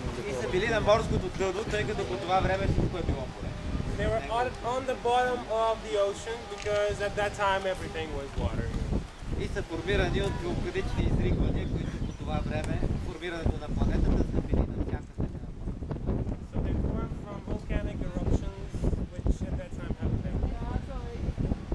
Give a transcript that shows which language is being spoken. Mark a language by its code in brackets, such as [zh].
[bg] И са били на морското дъно, тъй като по това време всичко е било море. [en] They were on the bottom of the ocean because at that time everything was water. [bg] И са формирани от вулканични изригвания, които по това време формирането на планетата са били на всяка земя. [en] So they formed from volcanic eruptions which at that time happened there.